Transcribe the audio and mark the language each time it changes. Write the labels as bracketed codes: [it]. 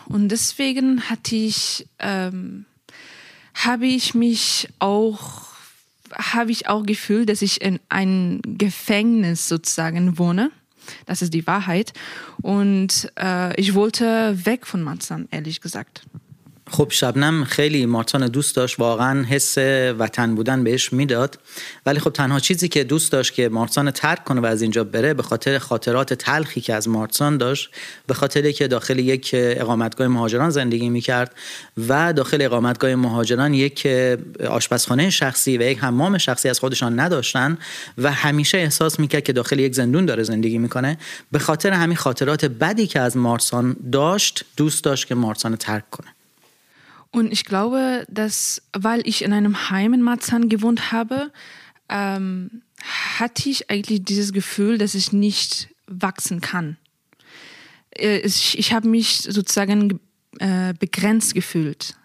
[de] Und deswegen habe ich auch gefühlt, dass ich in einem Gefängnis sozusagen wohne. Das ist die Wahrheit. Und ich wollte weg von Marzahn, ehrlich gesagt. [fa] خب شبنم خیلی مارتان دوست داشت، واقعا حس وطن بودن بهش میداد، ولی خب تنها چیزی که دوست داشت که مارتان ترک کنه و از اینجا بره به خاطر خاطرات تلخی که از مارتان داشت، به خاطر اینکه داخل یک اقامتگاه مهاجران زندگی میکرد و داخل اقامتگاه مهاجران یک آشپزخانه شخصی و یک حمام شخصی از خودشان نداشتن و همیشه احساس میکرد که داخل یک زندون داره زندگی میکنه. به خاطر همین خاطرات بدی که از مارتان داشت، دوست داشت که مارتان ترک کنه. [de] Und ich glaube, dass weil ich in einem Heim in Marzahn gewohnt habe, hatte ich eigentlich dieses Gefühl, dass ich nicht wachsen kann. Ich habe mich sozusagen begrenzt gefühlt.